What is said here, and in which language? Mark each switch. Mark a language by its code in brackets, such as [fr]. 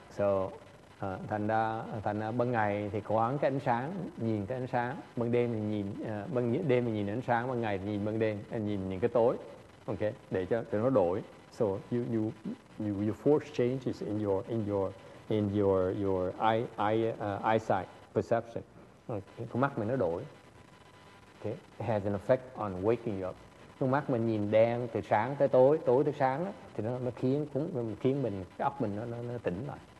[vi] So thành ra ban ngày thì cố gắng cái ánh sáng, nhìn cái ánh sáng, ban đêm thì nhìn ban đêm thì nhìn ánh sáng, ban ngày thì nhìn ban đêm, nhìn những cái tối. Okay, để cho nó đổi. [en] So you force changes in your eyesight perception. [vi] Con mắt mình nó đổi. [en] Okay. It has an effect on waking you up. [vi] Con mắt mình nhìn đen từ sáng tới tối, tối tới sáng đó, thì nó khiến cũng khiến mình cái óc mình nó tỉnh lại.